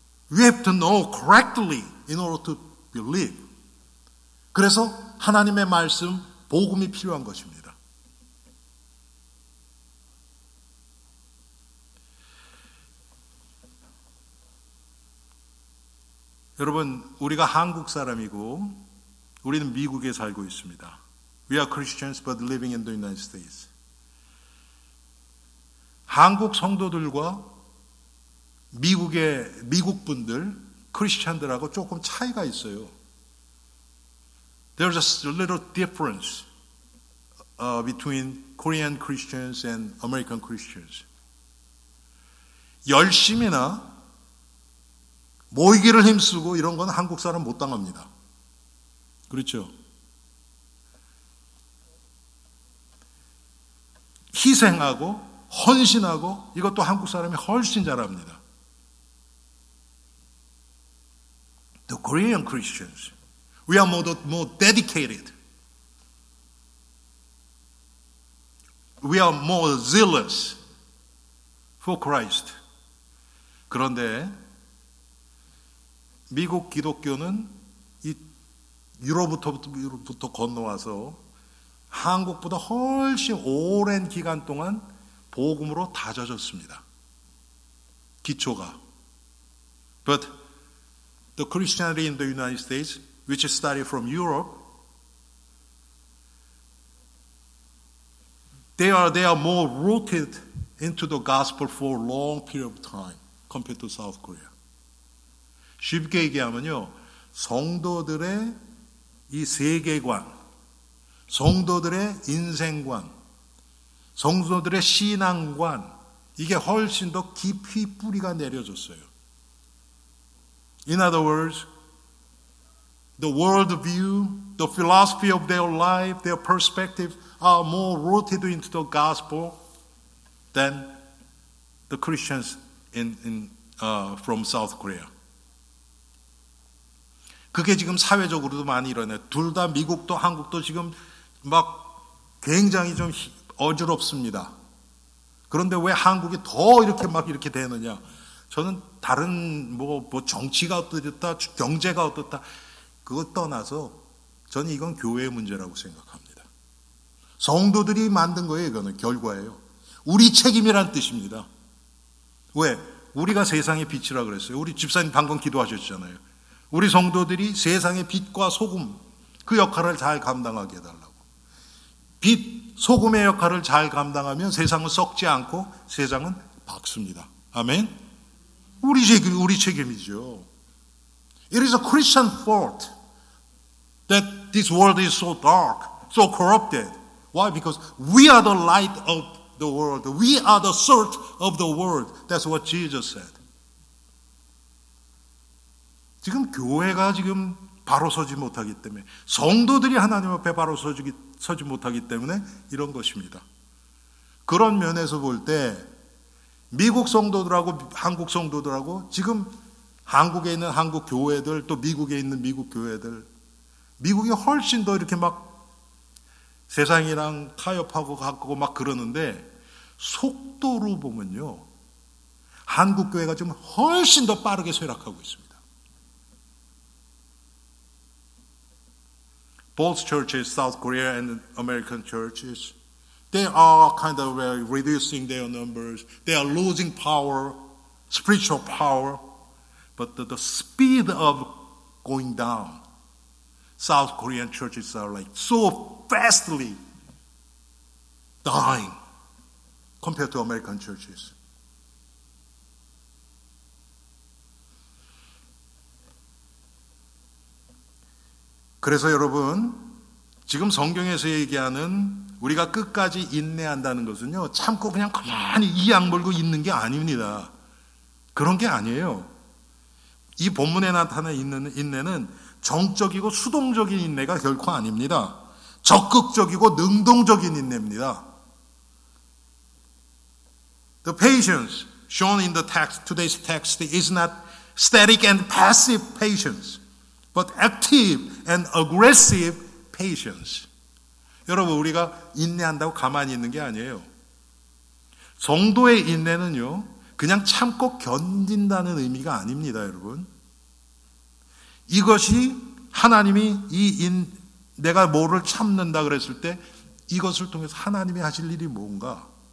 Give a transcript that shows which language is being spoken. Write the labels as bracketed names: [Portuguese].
[English] We have to know correctly in order to believe. [Korean] 그래서 하나님의 말씀, 복음이 필요한 것입니다. 여러분, 우리가 한국 사람이고 우리는 미국에 살고 있습니다. [English] We are Christians but living in the United States. [Korean] 한국 성도들과 미국의 미국 분들, 크리스천들하고 조금 차이가 있어요. [English] There's a little difference between Korean Christians and American Christians. [Korean] 열심이나 모이기를 힘쓰고 이런 건 한국 사람 못 당합니다. 그렇죠? 희생하고 헌신하고 이것도 한국 사람이 훨씬 잘합니다. [English] The Korean Christians, we are more dedicated. We are more zealous for Christ. [Korean] 그런데 미국 기독교는 이 유럽부터 건너와서 한국보다 훨씬 오랜 기간 동안 복음으로 다져졌습니다. 기초가. [English] But the Christianity in the United States, which is started from Europe, they are more rooted into the gospel for a long period of time compared to South Korea. [Korean] 쉽게 얘기하면요, 성도들의 이 세계관, 성도들의 인생관, 성도들의 신앙관, 이게 훨씬 더 깊이 뿌리가 내려졌어요. [English] In other words, the world view, the philosophy of their life, their perspective are more rooted into the gospel than the Christians from South Korea. [Korean] 그게 지금 사회적으로도 많이 일어나요. 둘 다 미국도 한국도 지금 막 굉장히 좀 어지럽습니다. 그런데 왜 한국이 더 이렇게 막 이렇게 되느냐? 저는 다른 뭐 정치가 어떻다, 경제가 어떻다, 그거 떠나서 저는 이건 교회의 문제라고 생각합니다. 성도들이 만든 거예요. 이거는 결과예요. 우리 책임이란 뜻입니다. 왜? 우리가 세상의 빛이라 그랬어요. 우리 집사님 방금 기도하셨잖아요. 우리 성도들이 세상의 빛과 소금, 그 역할을 잘 감당하게 해달라고. 빛, 소금의 역할을 잘 감당하면 세상은 썩지 않고 세상은 밝습니다. 아멘. 우리 책임이죠. [English] It is a Christian fault that this world is so dark, so corrupted. Why? Because we are the light of the world. We are the salt of the world. That's what Jesus said. [Korean] 지금 교회가 지금 바로 서지 못하기 때문에, 성도들이 하나님 앞에 바로 서지 못하기 때문에 이런 것입니다. 그런 면에서 볼 때 미국 성도들하고 한국 성도들하고 지금 한국에 있는 한국 교회들, 또 미국에 있는 미국 교회들, 미국이 훨씬 더 이렇게 막 세상이랑 타협하고 갖고 막 그러는데, 속도로 보면요 한국 교회가 지금 훨씬 더 빠르게 쇠락하고 있습니다. [English] Both churches, South Korea and American churches, they are kind of reducing their numbers. They are losing power, spiritual power. But the speed of going down, South Korean churches are like so fastly dying compared to American churches. [Korean] 그래서 여러분, 지금 성경에서 얘기하는 우리가 끝까지 인내한다는 것은요, 참고 그냥 가만히 이 양 물고 있는 게 아닙니다. 그런 게 아니에요. 이 본문에 나타나 있는 인내는 정적이고 수동적인 인내가 결코 아닙니다. 적극적이고 능동적인 인내입니다. The patience shown in the text, today's text, is not static and passive patience, but active and aggressive patience. 여러분, 우리가 인내한다고 가만히 있는 게 아니에요. 성도의 인내는요, 그냥 참고 견딘다는 의미가 아닙니다, 여러분. 이것이 하나님이 내가 뭐를 참는다 그랬을 때 이것을 통해서 하나님이 하실 일이 뭔가?